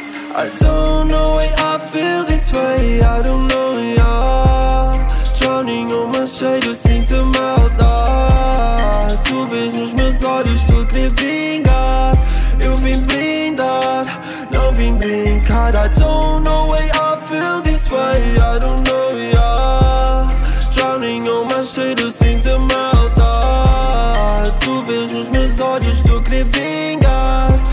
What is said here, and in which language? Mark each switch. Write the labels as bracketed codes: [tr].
[en] I don't know why I feel this way, I don't know, yeah. Drowning on my shade, [pt] eu sinto maldade. Tu vês nos meus olhos, tu queres vingar. Eu vim brindar, não vim brincar. [en] I don't know why I feel this way, I don't know, yeah. Drowning on my shade, [pt] eu sinto maldade. Tu vês nos meus olhos, tu queres vingar.